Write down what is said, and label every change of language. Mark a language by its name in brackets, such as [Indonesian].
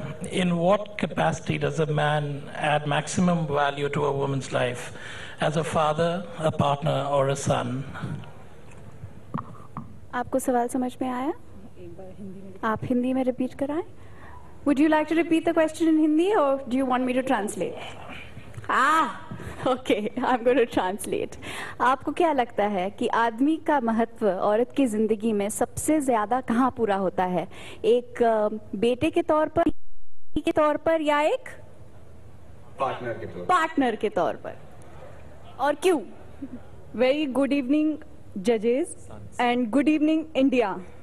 [English] In what capacity does a man add maximum value to a woman's life as a father, a partner or a son? [Hindi] Aapko sawal samajh mein aaya? Aap Hindi mein repeat karaye? [English] Would you like to repeat the question in Hindi or do you want me to translate? Ah, okay. I'm going to translate. [Hindi] आपको क्या लगता है कि आदमी का महत्व औरत की जिंदगी में सबसे ज्यादा कहाँ पूरा होता है? एक बेटे के तौर पर, पति के तौर पर या एक पार्टनर के तौर पर? पार्टनर के तौर पर. और क्यों? [English] Very good evening, judges, and good evening, India.